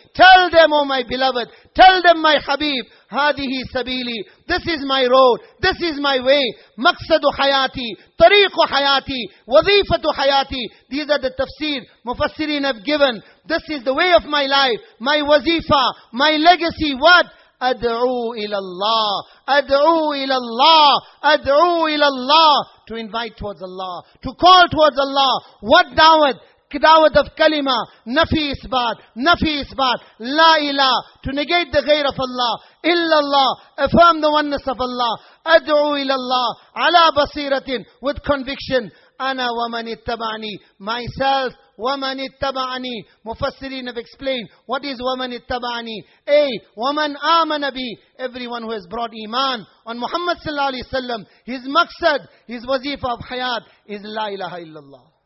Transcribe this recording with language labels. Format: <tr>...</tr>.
<en>Tell them, oh my beloved, tell them, my Habib, هَذِهِ سَبِيلِي. This is my road, this is my way.</en> <ar>مَقْصَدُ حَيَاتِي طَرِيقُ حَيَاتِي وَظِيفَةُ حَيَاتِي.</ar> <en>These are the tafsir mufassirin have given. This is the way of my life, my wazifa, my legacy. What?</en> <ar>أدعو إلى الله, أدعو إلى الله, أدعو إلى الله.</ar> <en>To invite towards Allah, to call towards Allah. What da'wat? Da'wat of kalima, nafi isbat, nafi isbat. La ilah, to negate the ghair of Allah. Illallah, affirm the oneness of Allah.</en> <ar>أدعو إلى الله, على بصيرة, with conviction. أنا ومن اتبعني, myself. وَمَنِ اتَّبَعَنِي.</ar> <en>Mufassirin have explained, what is وَمَنِ اتَّبَعَنِي?</en> <ar>A, وَمَنْ آمَنَ بِي.</ar> <en>Everyone who has brought iman on Muhammad sallallahu alayhi wa sallam, his maqsad, his wazifa of hayat is la ilaha illallah.</en>